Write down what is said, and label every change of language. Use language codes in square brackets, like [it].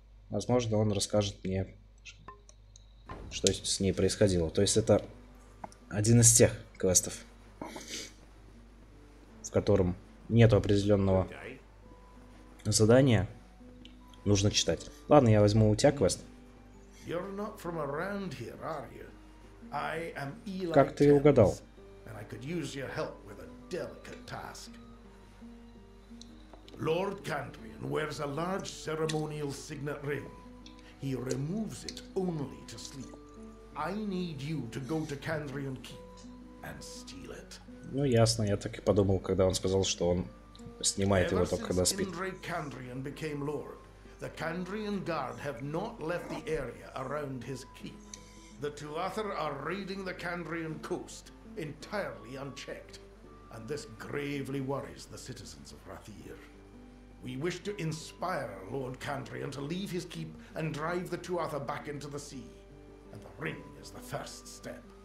[ru] Возможно, он расскажет мне, что с ней происходило. То есть это один из тех квестов, в котором нету определенного задания, нужно читать. Ладно, я возьму у тебя квест. [en] You're not from around here, are you? I am Eli. [ru] Как ты угадал? [en] And I could use your help with a delicate task. Lord Cantrian wears a large ceremonial signet ring. He removes it only to sleep. I need you to go to Cantrian Keep and steal it. [ru] Ну ясно, я так и подумал, когда он сказал, что он снимает его только когда спит. [en] Ever since Cantrian became lord, the Cantrian guard have not left the area around his keep. The Tuatha'r are raiding the Cantrian coast entirely unchecked, and this gravely worries the citizens of Rathir. We wish to inspire Lord Cantrian to leave his keep and drive the Tuatha'r back into the sea, and the ring is the first step.